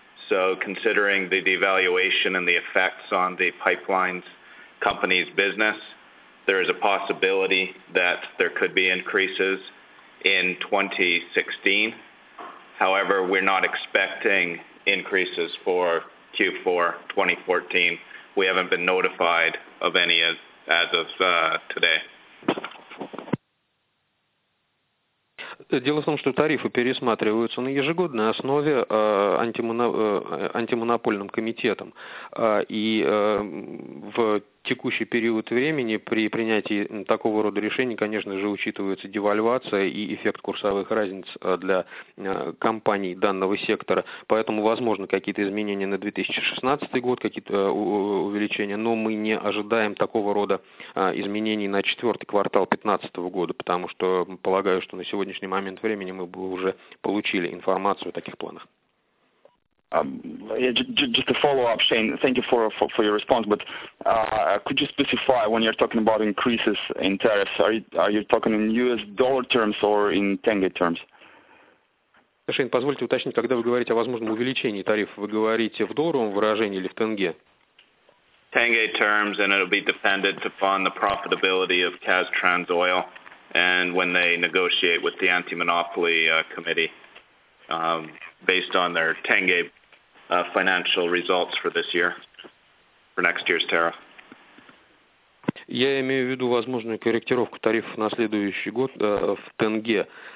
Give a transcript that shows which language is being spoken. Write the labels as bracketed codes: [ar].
[en] So considering the devaluation and the effects on the pipelines company's business, there is a possibility that there could be increases in 2016. However, we're not expecting increases for Q4 2014. We haven't been notified of any of as of today. [ru] Дело в том, что тарифы пересматриваются на ежегодной основе антимонопольным комитетом. И в текущий период времени при принятии такого рода решений, конечно же, учитывается девальвация и эффект курсовых разниц для компаний данного сектора. Поэтому, возможно, какие-то изменения на 2016 год, какие-то увеличения, но мы не ожидаем такого рода изменений на четвертый квартал 2015 года, потому что полагаю, что на сегодняшний момент времени мы бы уже получили информацию о таких планах. [en] Just a follow-up, Shane. Thank you for your response. But could you specify when you're talking about increases in tariffs? Are you talking in U.S. dollar terms or in tenge terms? [ru] Shane, позвольте уточнить, когда вы говорите о возможном увеличении тарифов, вы говорите в долларовом выражении или в тенге? [en] Tenge terms, and it'll be dependent upon the profitability of Kaztrans Oil and when they negotiate with the Anti-Monopoly Committee. Based on their tenge financial results for this year, for next year's tariff. [ru] Я имею в виду возможную корректировку тарифов на следующий год в тенге.